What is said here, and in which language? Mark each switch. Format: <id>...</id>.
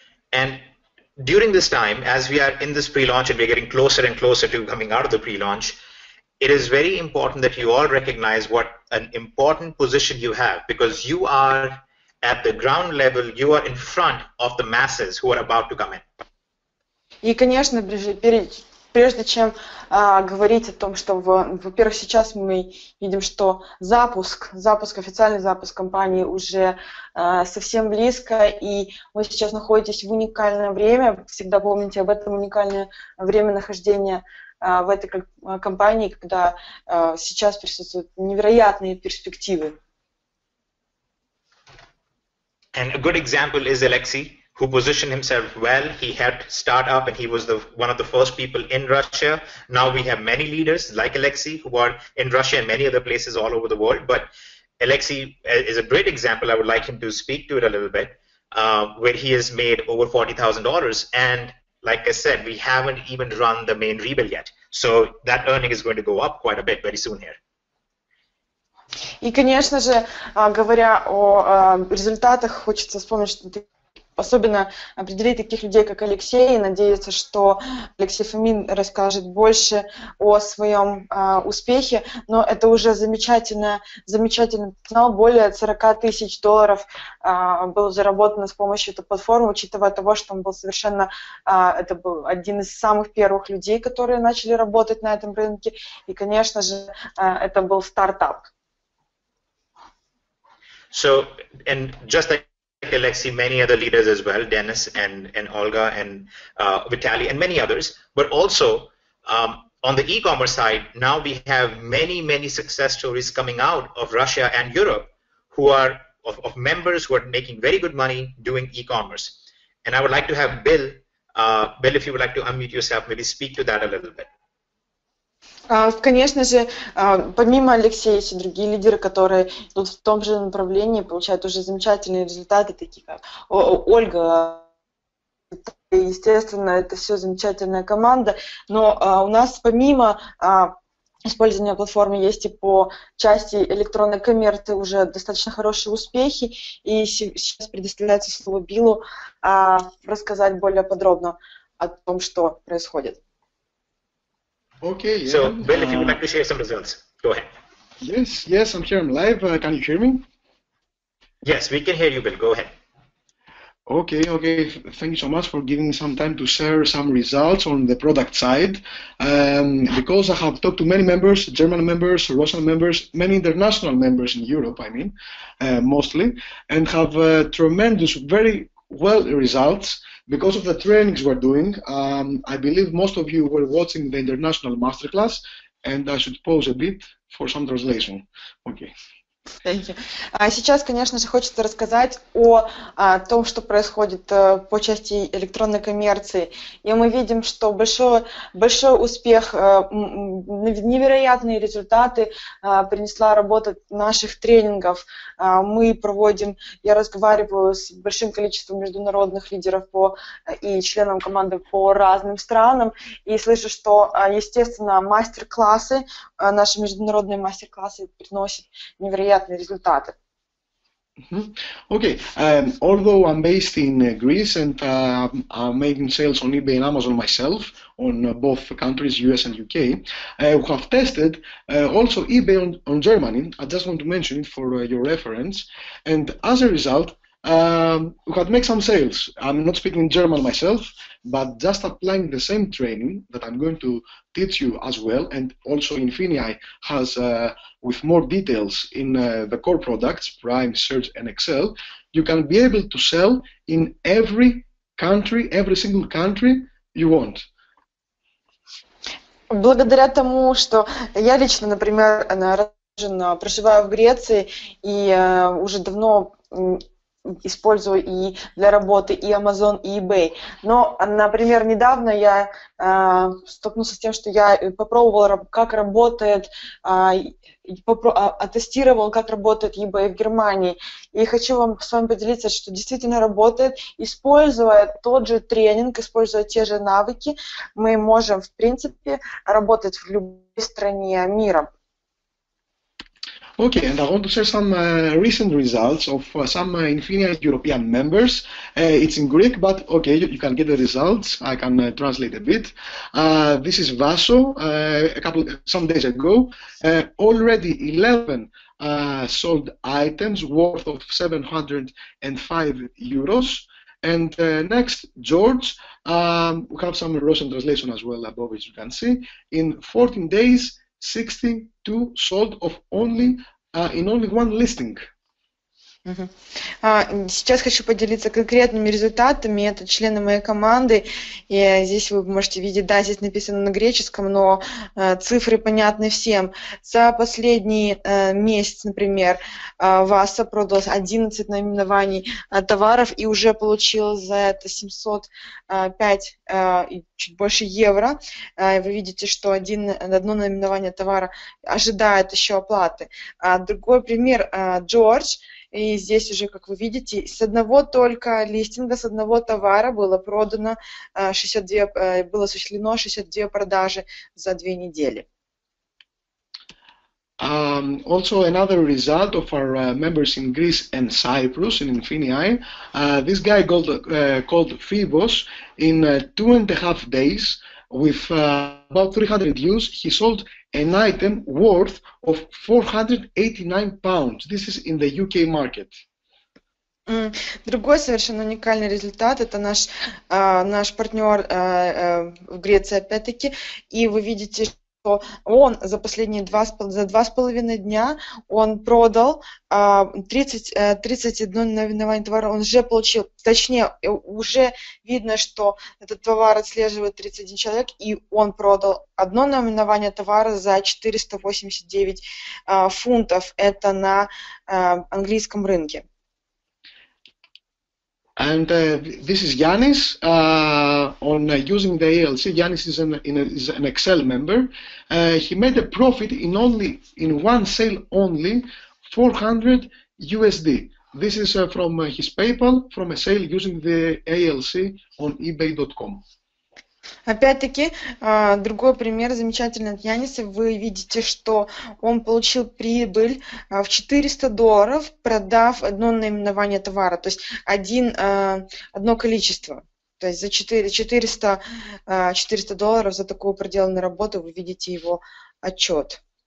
<en>And During this time, as we are in this pre-launch and we're getting closer and closer to coming out of the pre-launch, it is very important that you all recognize what an important position you have, because you are at the ground level, you are in front of the masses who are about to come in.</en> <ru>И, конечно, прежде чем говорить о том, что, во-первых, сейчас мы видим, что запуск, официальный запуск компании уже совсем близко, и вы сейчас находитесь в уникальное время, всегда помните об этом уникальное время нахождения в этой компании, когда сейчас присутствуют невероятные перспективы.</ru> <en>And a good example is Alexei, who positioned himself well. He helped start up, and he was one of the first people in Russia. Now we have many leaders like Alexei who are in Russia and many other places all over the world. But Alexei is a great example. I would like him to speak to it a little bit, where he has made over $40,000. And like I said, we haven't even run the main rebuild yet. So that earning is going to go up quite a bit very soon here.</en> <ru>И, конечно же, говоря о результатах, хочется вспомнить, что ты особенно определил таких людей, как Алексей, и надеяться, что Алексей Фомин расскажет больше о своем успехе. Но это уже замечательно. Знал, более 40 тысяч долларов было заработано с помощью этой платформы, учитывая того, что он был совершенно... Это был один из самых первых людей, которые начали работать на этом рынке. И, конечно же, это был стартап.</ru> <en>So, and just like Alexei, many other leaders as well, Dennis and Olga and Vitaly and many others, but also on the e-commerce side, now we have many, many success stories coming out of Russia and Europe who are of members who are making very good money doing e-commerce. And I would like to have Bill, Bill, if you would like to unmute yourself, maybe speak to that a little bit.</en> <ru>Конечно же, помимо Алексея, есть и другие лидеры, которые идут в том же направлении, получают уже замечательные результаты, такие как Ольга. Естественно, это все замечательная команда. Но у нас помимо использования платформы есть и по части электронной коммерции уже достаточно хорошие успехи. И сейчас предоставляется слово Биллу рассказать более подробно о том, что происходит.</ru> <en>Okay. Yeah. So, Bill, if you would like to share some results, go ahead. Yes, I'm here. I'm live. Can you hear me? Yes, we can hear you, Bill. Go ahead. Okay. Thank you so much for giving me some time to share some results on the product side. Because I have talked to many members, German members, Russian members, many international members in Europe, I mean, mostly, and have tremendous, very well results. Because of the trainings we're doing, I believe most of you were watching the international masterclass, and I should pause a bit for some translation. Okay. Thank you.</en> <ru>Сейчас, конечно же, хочется рассказать о том, что происходит по части электронной коммерции. И мы видим, что большой успех, невероятные результаты принесла работа наших тренингов. Мы проводим, я разговариваю с большим количеством международных лидеров и членов команды по разным странам, и слышу, что, естественно, мастер-классы, наши международные мастер-классы приносят невероятные результаты.</ru> <en>Mm-hmm. Okay. Although I'm based in Greece and I'm making sales on eBay and Amazon myself, on both countries, US and UK, we have tested also eBay on Germany. I just want to mention it for your reference. And as a result, we had made some sales. I'm not speaking German myself, but just applying the same training that I'm going to teach you as well, and also Infinii has with more details in the core products, Prime, Search and Excel, you can be able to sell in every country, every single country you want.</en> <ru>Благодаря тому, что я лично, например, проживаю в Греции и уже давно использую и для работы и Amazon, и eBay. Но, например, недавно я столкнулся с тем, что я попробовал, как работает, оттестировал, как работает eBay в Германии. И хочу вам с вами поделиться, что действительно работает. Используя тот же тренинг, используя те же навыки, мы можем, в принципе, работать в любой стране мира.</ru> <en>Okay, and I want to share some recent results of some Infineon European members. It's in Greek, but okay, you can get the results. I can translate a bit. This is Vaso. Some days ago, already 11 sold items worth of 705 euros. And next, George, we have some Russian translation as well above, as you can see. In 14 days, 62 sold of only in only one listing.</en> <ru>Сейчас хочу поделиться конкретными результатами. Это члены моей команды. И здесь вы можете видеть, да, здесь написано на греческом, но цифры понятны всем. За последний месяц, например, Васа продал 11 наименований товаров и уже получил за это 705 и чуть больше евро. Вы видите, что одно наименование товара ожидает еще оплаты. Другой пример, Джордж. И здесь уже, как вы видите, с одного только листинга, с одного товара было продано 62, было осуществлено 62 продажи за две недели.</ru> <en>Also another result of our members in Greece and Cyprus in Infineon. This guy called Phoebos in 2.5 days with about 300 views, he sold an item worth of 489 pounds. This is in the UK market.</en> <ru>Другой совершенно уникальный результат – это наш партнер в Греции, опять-таки. И вы видите, что он за 2.5 дня он продал 31 наименование товара. Он уже получил, точнее, уже видно, что этот товар отслеживает 31 человек, и он продал одно наименование товара за 489 фунтов. Это на английском рынке.</ru> <en>And this is Yanis on using the ALC. Yanis is an Excel member. He made a profit in one sale only, 400 USD. This is from his PayPal, from a sale using the ALC on eBay.com.</en> <ru>Опять-таки, другой пример замечательный от Яниса. Вы видите, что он получил прибыль в $400, продав одно наименование товара, то есть одно количество. То есть за $400 за такую проделанную работу вы видите его отчет.</ru>